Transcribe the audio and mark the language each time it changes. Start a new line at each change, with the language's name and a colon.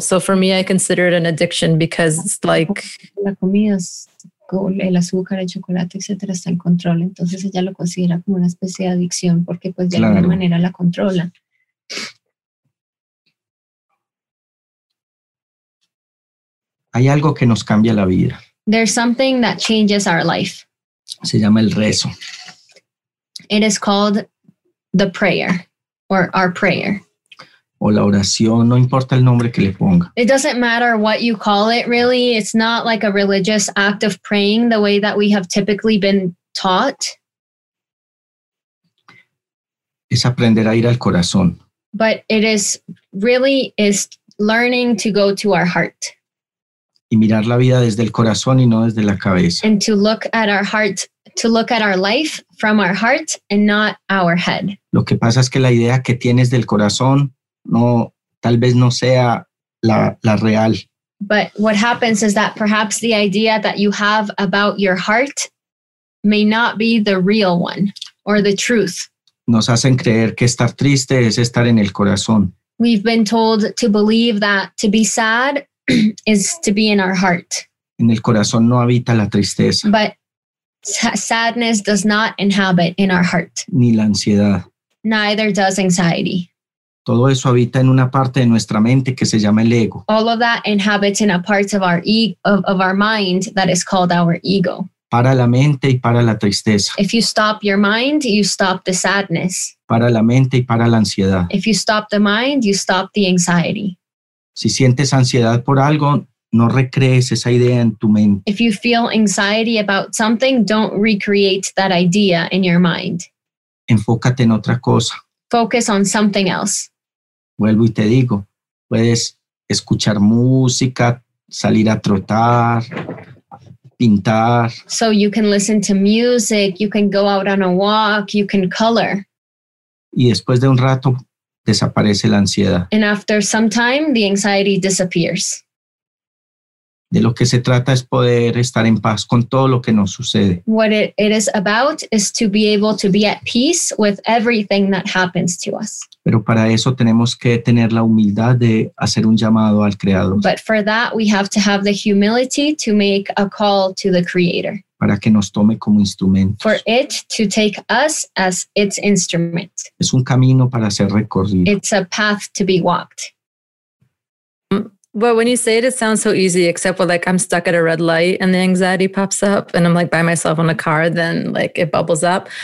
English: So for me, I consider it an addiction because it's like
Spanish: la comida, el azúcar, el chocolate, etcétera, está en control. Entonces ella lo considera como una especie de adicción porque pues de alguna manera la controla. Hay algo que nos cambia la vida.
English: There's something that changes our life.
Spanish: Se llama el rezo.
English: It is called the prayer or our prayer.
Spanish: O la oración, no importa el nombre que le ponga.
English: It doesn't matter what you call it, really. It's not like a religious act of praying the way that we have typically been taught.
Spanish: Es aprender a ir al corazón.
English: But it is really is learning to go to our heart.
Spanish: Y mirar la vida desde el corazón y no desde la cabeza.
English: And to look at our heart, to look at our life from our heart and not our head.
Spanish: Lo que pasa es que la idea que tienes del corazón no, tal vez no sea la real.
English: But what happens is that perhaps the idea that you have about your heart may not be the real one or the truth.
Spanish: Nos hacen creer que estar triste es estar en el corazón.
English: We've been told to believe that to be sad is to be in our heart.
Spanish: En el corazón no habita la tristeza.
English: But sadness does not inhabit in our heart.
Spanish: Ni la ansiedad.
English: Neither does anxiety.
Spanish: Todo eso habita en una parte de nuestra mente que se llama el ego.
English: All of that inhabits in a part of our mind that is called our ego.
Spanish: Para la mente y para la tristeza.
English: If you stop your mind, you stop the sadness.
Spanish: Para la mente y para la ansiedad.
English: If you stop the mind, you stop the anxiety.
Spanish: Si sientes ansiedad por algo, no recrees esa idea en tu mente.
English: If you feel anxiety about something, don't recreate that idea in your mind.
Spanish: Enfócate en otra cosa.
English: Focus on something else.
Spanish: Vuelvo y te digo, puedes escuchar música, salir a trotar, pintar.
English: So you can listen to music, you can go out on a walk, you can color.
Spanish: Y después de un rato desaparece la ansiedad.
English: And after some time, the anxiety disappears.
Spanish: De lo que se trata es poder estar en paz con todo lo que nos sucede.
English: What it is about is to be able to be at peace with everything that happens to us.
Spanish: Pero para eso tenemos que tener la humildad de hacer un llamado al Creador.
English: But for that, we have to have the humility to make a call to the Creator.
Spanish: Para que nos tome como instrumentos.
English: For it to take us as its instrument.
Spanish: Es un camino para ser recorrido.
English: It's a path to be walked. Well, when you say it, it sounds so easy, except for like I'm stuck at a red light and the anxiety pops up and I'm like by myself in a car, then like it bubbles up.